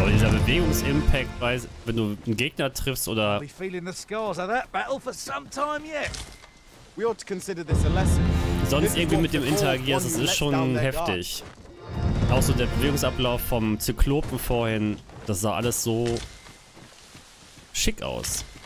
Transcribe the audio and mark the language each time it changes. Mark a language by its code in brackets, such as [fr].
[de] Bewegungsimpact, weil wenn du einen Gegner triffst oder. [en] We're feeling the scars of that battle for some time yet. We ought to consider this a lesson. [de] Sonst irgendwie mit dem interagierst, es ist schon heftig. Auch so der Bewegungsablauf vom Zyklopen vorhin, das sah alles so schick aus.